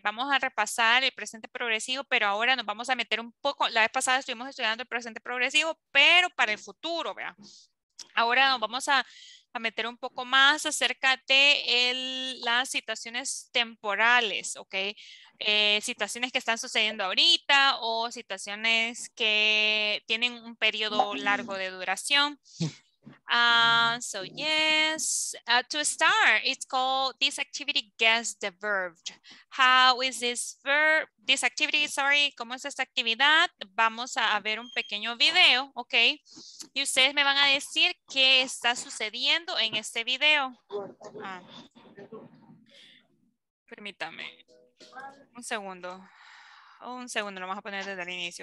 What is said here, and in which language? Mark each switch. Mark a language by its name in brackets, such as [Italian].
[Spanish] Vamos a repasar el presente progresivo, pero ahora nos vamos a meter un poco, la vez pasada estuvimos estudiando el presente progresivo, pero para el futuro, ¿verdad? Ahora nos vamos a a meter un poco más acerca de las situaciones temporales, ¿ok? Situaciones que están sucediendo ahorita o situaciones que tienen un periodo largo de duración. [English] So yes, to start, it's called this activity, guess the verb. How is this verb, this activity, sorry, [Spanish] ¿cómo es esta actividad? Vamos a ver un pequeño video, ok, y ustedes me van a decir qué está sucediendo en este video. Permítame, un segundo. Un segundo, lo vamos a poner desde el inicio.